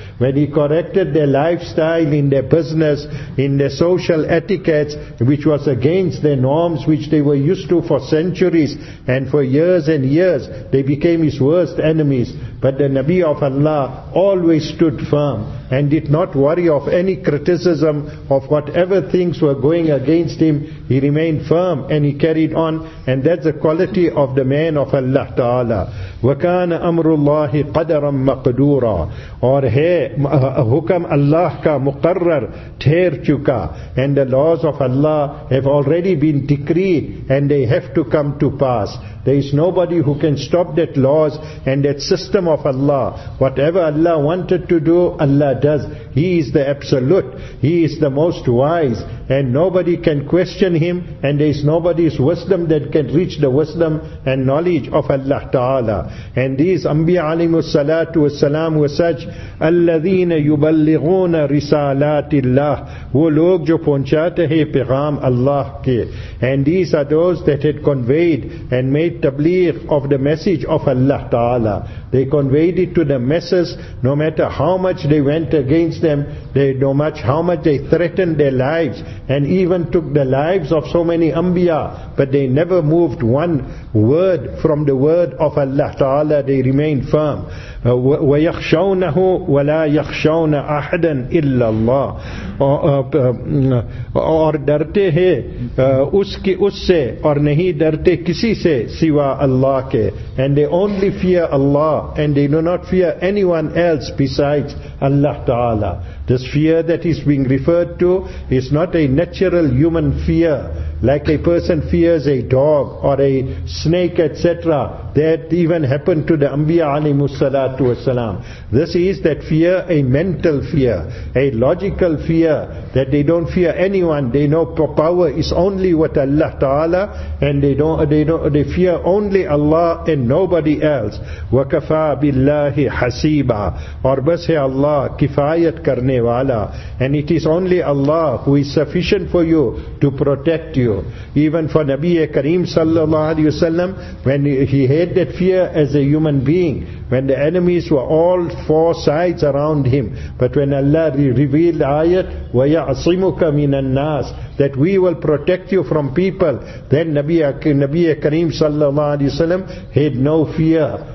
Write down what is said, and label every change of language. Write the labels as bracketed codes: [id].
[en] When he corrected their lifestyle in their business, in their social etiquettes, which was against their norms which they were used to for centuries and for years and years, they became his worst enemies. But the Nabi of Allah always stood firm and did not worry of any criticism of whatever things were going against him. He remained firm and he carried on. And that's the quality of the man of Allah Ta'ala. [ar] وَكَانَ أَمْرُ اللَّهِ قَدَرًا مَقْدُورًا [ur] اور ہے حکم اللہ کا مقرر ٹھہر چکا. [en] And the laws of Allah have already been decreed and they have to come to pass. There is nobody who can stop that laws and that system of Allah. Whatever Allah wanted to do, Allah does. He is the absolute. He is the most wise. And nobody can question him. And there is nobody's wisdom that can reach the wisdom and knowledge of Allah Ta'ala. And these Anbiya alayhimu salatu wa salam were such, [ar] الَّذِينَ يُبَلِّغُونَ رِسَالَاتِ اللَّهِ [ur] وہ لوگ جو پہنچاتے ہیں پیغام اللہ کے. [en] And these are those that had conveyed and made tabligh of the message of Allah Ta'ala. They conveyed it to the masses, no matter how much they went against them, no matter how much they threatened their lives and even took the lives of so many Anbiya, but they never moved one word from the word of Allah Ta'ala. They remained firm. [ar] وَيَخْشَوْنَهُ وَلَا يَخْشَوْنَ أَحْدًا إِلَّا اللَّهِ [ur] اور ڈرتے ہیں اس کی اس سے اور نہیں ڈرتے کسی سے سوا اللہ کے. [en] And they only fear Allah and they do not fear anyone else besides Allah Ta'ala. This fear that is being referred to is not a natural human fear like a person fears a dog or a snake, etc. That even happened to the Anbiya alayhimus salatu wasalam. This is that fear, a mental fear, a logical fear, that they don't fear anyone. They know power is only with Allah Ta'ala, and they fear only Allah and nobody else. [ar] وَكَفَى بِاللَّهِ حَسِيبًا [ur] اور بس ہے اللہ کفایت کرنے والا. [en] And it is only Allah who is sufficient for you to protect you. Even for Nabi Kareem sallallahu alayhi wasallam, when he had that fear as a human being, when the enemies were all four sides around him, but when Allah revealed ayat [ar] وَيَعْصِمُكَ مِنَ النَّاسِ [en] that we will protect you from people, then Nabi Kareem sallallahu alayhi wasallam had no fear.